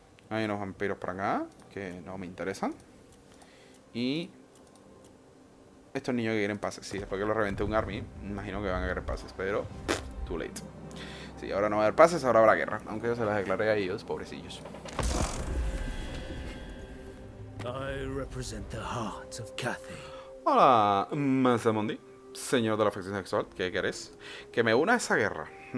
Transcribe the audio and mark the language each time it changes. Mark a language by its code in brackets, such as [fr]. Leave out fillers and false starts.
[es] Hay unos vampiros para acá, que no me interesan. Y estos niños que quieren pases, sí, después que los reventé un army, imagino que van a querer pases, pero [en] too late. [es] Sí, ahora no va a haber pases, ahora habrá guerra. Aunque yo se las declaré a ellos, pobrecillos. [en] I represent the heart of Cathay. [es] Hola, Mazamundi, señor de la facción sexual, ¿qué querés? Que me una a esa guerra.